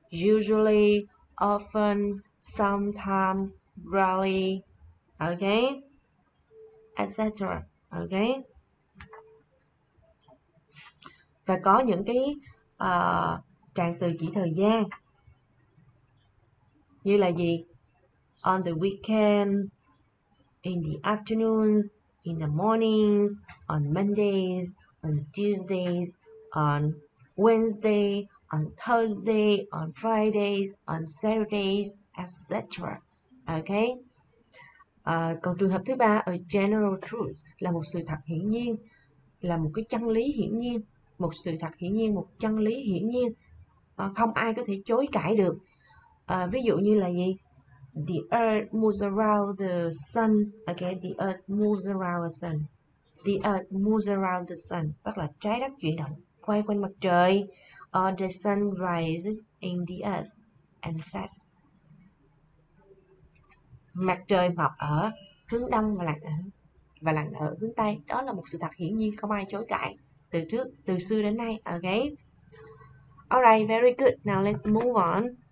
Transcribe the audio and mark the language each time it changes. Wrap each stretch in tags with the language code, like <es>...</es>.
<en>Usually, often, sometime, rarely, ok, etc. Ok.</en> <vi>Và có những cái trạng từ chỉ thời gian như là gì?</vi> <en>On the weekends, in the afternoons, in the mornings, on Mondays, on Tuesdays, on Wednesday, on Thursday, on Fridays, on Saturdays, etc. Ok.</en> <vi>Còn trường hợp thứ ba,</vi> <en>a general truth,</en> <vi>là một sự thật hiển nhiên, là một cái chân lý hiển nhiên, một sự thật hiển nhiên, một chân lý hiển nhiên, không ai có thể chối cãi được. Ví dụ như là gì?</vi> <en>The earth moves around the sun. Okay, the earth moves around the sun. The earth moves around the sun.</en> <vi>Tức là trái đất chuyển động, quay quanh mặt trời.</vi> <en>Or the sun rises in the earth and sets.</en> <vi>Mặt trời mọc ở hướng đông và lặn ở hướng tây. Đó là một sự thật hiển nhiên, không ai chối cãi từ trước, từ xưa đến nay.</vi> <en>Okay. Alright, very good. Now let's move on.</en>